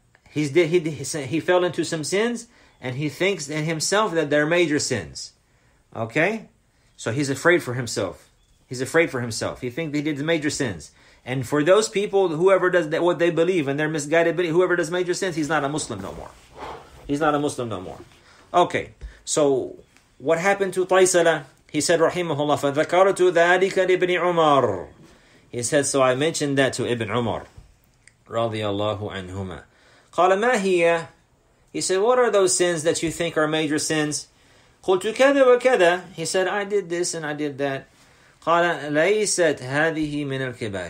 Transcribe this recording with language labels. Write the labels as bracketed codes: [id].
[en] He fell into some sins. And he thinks in himself that they're major sins. Okay? So he's afraid for himself. He's afraid for himself. He thinks he did the major sins. And for those people, whoever does that, what they believe and their misguided belief, whoever does major sins, he's not a Muslim no more. He's not a Muslim no more. Okay. So what happened to Taysala? He said, Rahimahullah, [ar] فَذَكَرْتُ ذَٰلِكَ لِبْنِ عُمَرٍ. [en] He said, so I mentioned that to Ibn Umar, radiallahu anhuma. [ar] قَالَ مَا هِيَ. [en] He said, what are those sins that you think are major sins? [ar] قُلْتُ كَذَا وَكَذَا. [en] He said, I did this and I did that. [ar] قَالَ لَيْسَتْ هَذِهِ مِنَ الْكِبَارِ.